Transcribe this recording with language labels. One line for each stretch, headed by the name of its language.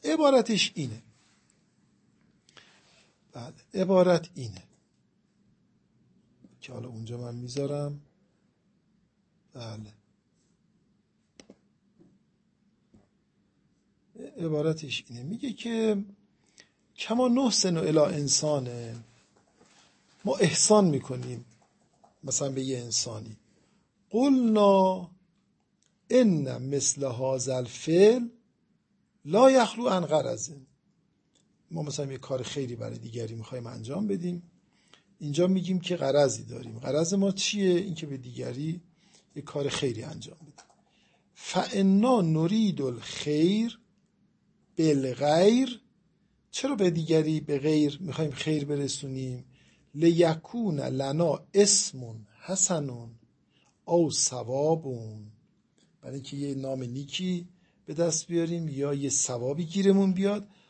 Persian: عبارتش اینه، بله عبارت اینه که حالا اونجا من میذارم، بله عبارتش اینه، میگه که
Arabic: کما نحسن و الی انسان،
Persian: ما احسان میکنیم مثلا به یه انسانی،
Arabic: قلنا ان مثل هذا الفعل لا یخلو عن غرض.
Persian: ما مثلا یه کار خیلی برای دیگری میخوایم انجام بدیم، اینجا میگیم که غرضی داریم. غرض ما چیه؟ این که به دیگری یه کار خیری انجام بدیم.
Arabic: فانا نرید الخیر بالغیر،
Persian: چرا به دیگری به غیر میخوایم خیر برسونیم؟
Arabic: لیکون لنا اسمون حسنون او ثوابون،
Persian: برای اینکه یه نام نیکی به دست بیاریم یا یه ثوابی گیرمون بیاد.